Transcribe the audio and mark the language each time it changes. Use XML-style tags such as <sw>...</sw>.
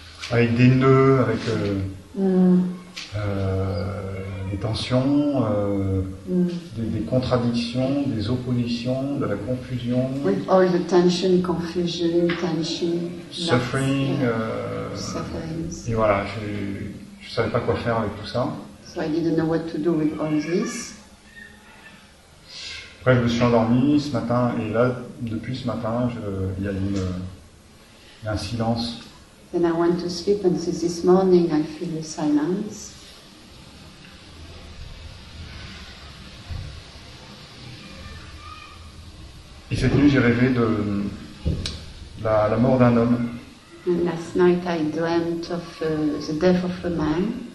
<fr>Avec des nœuds, avec des tensions, des contradictions, des oppositions, de la confusion.</fr> <en>With all the tension, confusion, tension. Suffering. Suffering.</en> <fr>Et voilà, je ne savais pas quoi faire avec tout ça.</fr> <en>So I didn't know what to do with all this.</en> <fr>Après, je me suis endormi ce matin, et là, depuis ce matin, il y a un silence.</fr> <en>Then I went to sleep, and since this morning, I feel the silence.</en> <fr>Et cette nuit, j'ai rêvé de la mort d'un homme.</fr> <en>And last night, I dreamt of the death of a man.</en>